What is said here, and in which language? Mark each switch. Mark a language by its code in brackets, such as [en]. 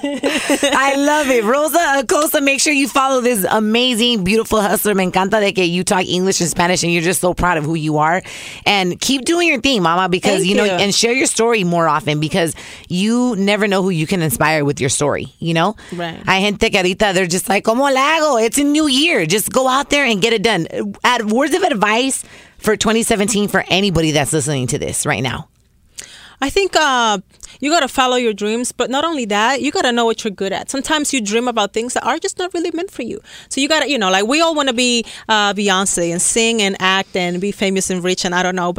[en] I love it. Rosa Acosta, make sure you follow this amazing, beautiful hustler. [es] Me encanta de que [en] you talk English and Spanish and you're just so proud of who you are. And keep doing your thing, mama, because, you know, and share your story more often because you never know who you can inspire with your story, you know? Right. [es] Hay gente que ahorita, [en] they're just like, [es] ¿cómo la hago? [en] It's a new year. Just go out there and get it done. Words of advice for 2017 for anybody that's listening to this right now. I think you got to follow your dreams, but not only that, you got to know what you're good at. Sometimes you dream about things that are just not really meant for you. So you got to, you know, like we all want to be Beyonce and sing and act and be famous and rich and I don't know.